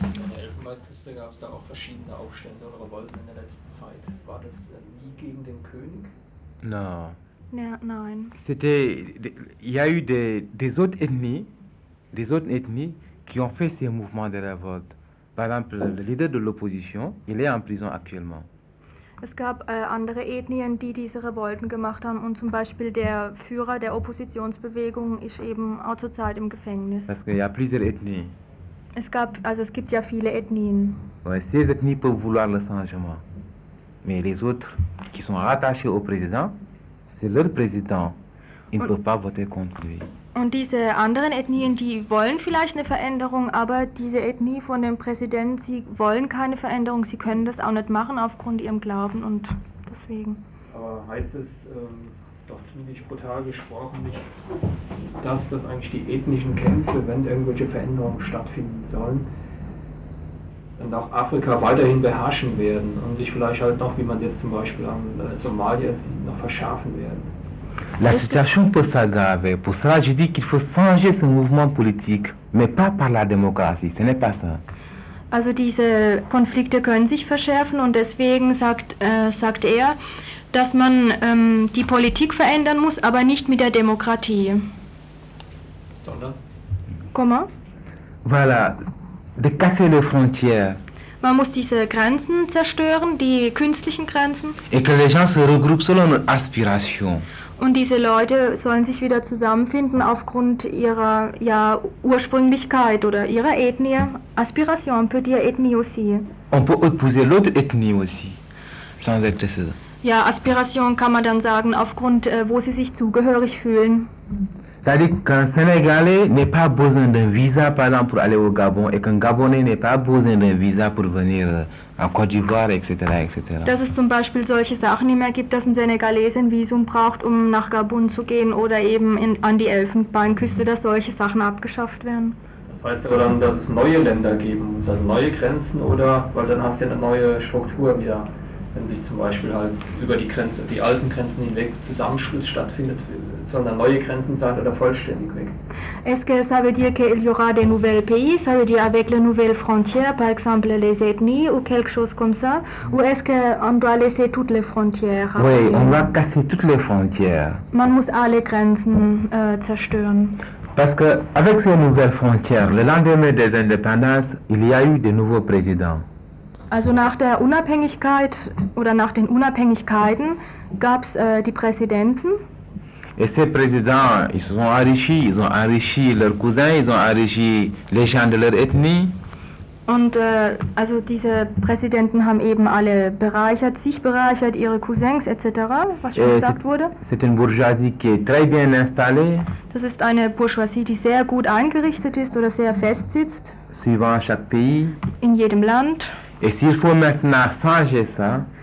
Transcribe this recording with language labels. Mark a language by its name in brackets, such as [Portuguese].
[German] In der Elfenbeinküste gab es da auch verschiedene Aufstände oder Revolten in der letzten Zeit. War das nie gegen den König? Nein. [French] C'était, il y a eu des autres ethnies qui ont fait ces mouvements de révolte. Par exemple, le leader de l'opposition, il est en prison actuellement. [German] Es gab andere Ethnien, die diese Revolten gemacht haben, und zum Beispiel der Führer der Oppositionsbewegung ist eben auch zurzeit im Gefängnis. [French] Parce qu'il y a plusieurs ethnies. [German] Es gibt ja viele Ethnien. [French] Ouais, ces ethnies peuvent vouloir le changement. Mais les autres, qui sont rattachés au président, c'est leur président. Ils ne peuvent pas voter contre lui. [German] Und diese anderen Ethnien, die wollen vielleicht eine Veränderung, aber diese Ethnie von dem Präsidenten, sie wollen keine Veränderung, sie können das auch nicht machen aufgrund ihrem Glauben und deswegen. Aber heißt es doch ziemlich brutal gesprochen nicht, dass das eigentlich die ethnischen Kämpfe, wenn irgendwelche Veränderungen stattfinden sollen, dann auch Afrika weiterhin beherrschen werden und sich vielleicht halt noch, wie man jetzt zum Beispiel an Somalia sieht, noch verschärfen werden? [French] La situation peut s'aggraver. Pour cela, je dis qu'il faut changer ce mouvement politique, mais pas par la démocratie. Ce n'est pas ça. [German] Also diese Konflikte können sich verschärfen, und deswegen sagt er, dass man die Politik verändern muss, aber nicht mit der Demokratie. Sondern? [French] Comment? Voilà. De casser les frontières. [German] Man muss diese Grenzen zerstören, die künstlichen Grenzen. [French] Et que les gens se regroupent selon leur aspiration. [German] Und diese Leute sollen sich wieder zusammenfinden aufgrund ihrer Ursprünglichkeit oder ihrer Ethnie. [French] Aspiration, peut dire Ethnie aussi. On peut opposer l'autre Ethnie aussi, sans être. [German] Ja, Aspiration kann man dann sagen, aufgrund, wo sie sich zugehörig fühlen. [French] C'est-à-dire qu'un Sénégalais n'est pas besoin d'un visa, par exemple, pour aller au Gabon, et qu'un Gabonais n'est pas besoin d'un visa pour venir en Côte d'Ivoire, etc., etc. [German] Dass es zum Beispiel solche Sachen nicht mehr gibt, dass ein Senegalese ein Visum braucht, um nach Gabun zu gehen, oder eben in, an die Elfenbeinküste, dass solche Sachen abgeschafft werden. Das heißt aber dann, dass es neue Länder geben muss, also neue Grenzen, oder, weil dann hast du ja eine neue Struktur wieder, wenn sich zum Beispiel halt über die Grenze, die alten Grenzen hinweg Zusammenschluss stattfindet, sondern neue Grenzen sein oder vollständig weg. [French] Est-ce que ça veut dire qu'il y aura des nouveaux pays, ça veut dire avec les nouvelles frontières, par exemple les ethnies ou quelque chose comme ça, ou est-ce qu'on doit laisser toutes les frontières? Oui, on va casser toutes les frontières. [German] Man muss alle Grenzen zerstören. [French] Parce que avec ces nouvelles frontières, le lendemain des indépendances, il y a eu de nouveaux présidents. [German] Also nach der Unabhängigkeit oder nach den Unabhängigkeiten gab es die Präsidenten. [French] Et ces présidents, ils ont enrichi leurs cousins, ils ont enrichi les gens de leur ethnie. [German] Und also diese Präsidenten haben eben alle bereichert, sich bereichert, ihre Cousins etc., was schon gesagt wurde. [French] C'est une bourgeoisie qui est très bien installée. [German] Das ist eine Bourgeoisie, die sehr gut eingerichtet ist oder sehr fest sitzt. [French] Suivant chaque pays. [German] In jedem Land. [French] Et s'il faut maintenant changer ça,